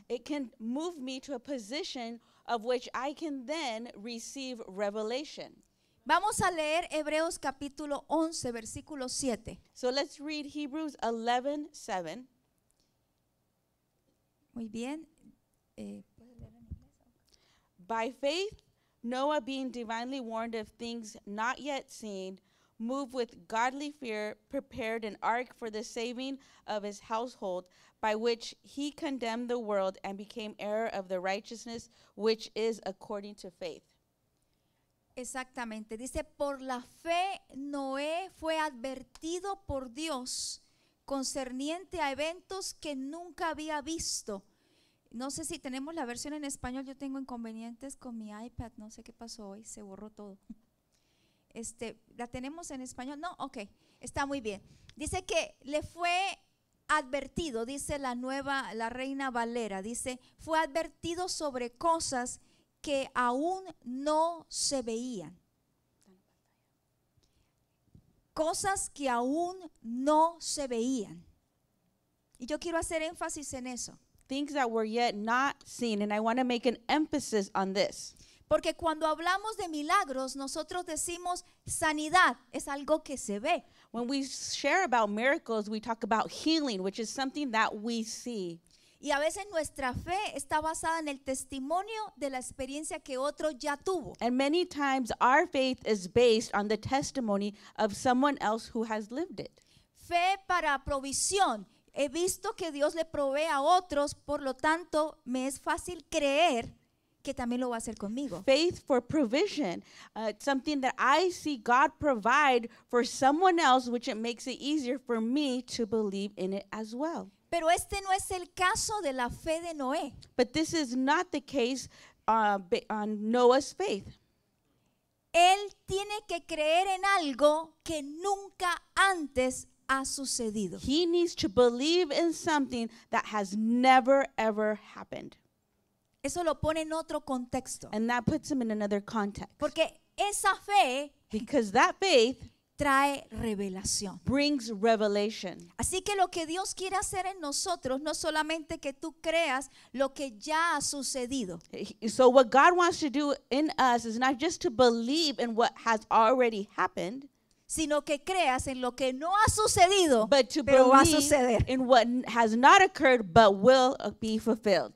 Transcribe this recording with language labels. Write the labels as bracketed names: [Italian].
[English] It can move me to a position of which I can then receive revelation. [Spanish] Vamos a leer Hebreos capítulo 11, versículo 7. [English] So let's read Hebrews 11, 7. [Spanish] Muy bien. [English] By faith, Noah, being divinely warned of things not yet seen, moved with godly fear, prepared an ark for the saving of his household, by which he condemned the world and became heir of the righteousness which is according to faith. [Spanish] Exactamente. Dice, por la fe, Noé fue advertido por Dios concerniente a eventos que nunca había visto. No sé si tenemos la versión en español, yo tengo inconvenientes con mi iPad, no sé qué pasó hoy, se borró todo. ¿La tenemos en español? No, ok, está muy bien. Dice que le fue advertido, dice la nueva, la Reina Valera, dice, fue advertido sobre cosas que aún no se veían. Cosas que aún no se veían. Y yo quiero hacer énfasis en eso. [English] Things that were yet not seen, and I want to make an emphasis on this. [Spanish] Porque cuando hablamos de milagros, nosotros decimos sanidad es algo que se ve. [English] When we share about miracles, we talk about healing, which is something that we see. [Spanish] Y a veces nuestra fe está basada en el testimonio de la experiencia que otro ya tuvo. [English] And many times our faith is based on the testimony of someone else who has lived it. [Spanish] Fe para provisión. He visto que Dios le provee a otros, por lo tanto, me es fácil creer que también lo va a hacer conmigo. [English] Faith for provision, something that I see God provide for someone else, which it makes it easier for me to believe in it as well. [Spanish] Pero este no es el caso de la fe de Noé. [English] But this is not the case on Noah's faith. [Spanish] él tiene que creer en algo que nunca antes ha sucedido. [English] He needs to believe in something that has never ever happened. [Spanish] Eso lo pone en otro contexto. [English] And that puts him in another context. [Spanish] Porque esa fe, [English] because that faith, [Spanish] trae revelación. [English] Brings revelation. [Spanish] Así que lo que Dios quiere hacer en nosotros no solamente que tú creas lo que ya ha sucedido. [English] So what God wants to do in us is not just to believe in what has already happened, [Spanish] sino que creas en lo que no ha sucedido, [English] but to [Spanish] pero [English] believe [Spanish] va a suceder. [English] In what has not occurred but will be fulfilled.